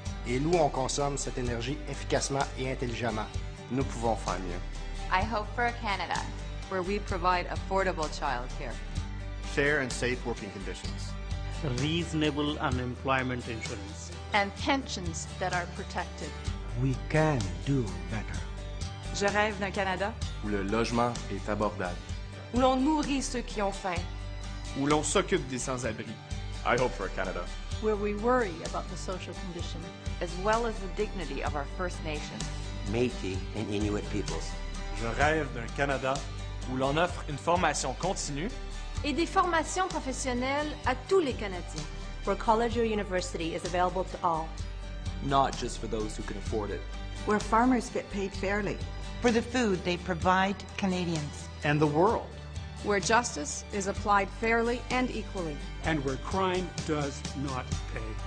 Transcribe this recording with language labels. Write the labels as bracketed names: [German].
[French] et où on consomme cette énergie efficacement et intelligemment. Nous pouvons faire mieux. [English] I hope for a Canada where we provide affordable childcare, fair and safe working conditions, reasonable unemployment insurance, and pensions that are protected. We can do better. [French] Je rêve d'un Canada où le logement est abordable, où l'on nourrit ceux qui ont faim, où l'on s'occupe des sans-abri. [English] I hope for a Canada where we worry about the social condition as well as the dignity of our First Nations, Métis and Inuit peoples. [French] Je rêve d'un Canada où l'on offre une formation continue et des formations professionnelles à tous les Canadiens, [English] where college or university is available to all, not just for those who can afford it, where farmers get paid fairly for the food they provide Canadians and the world, where justice is applied fairly and equally, and where crime does not pay.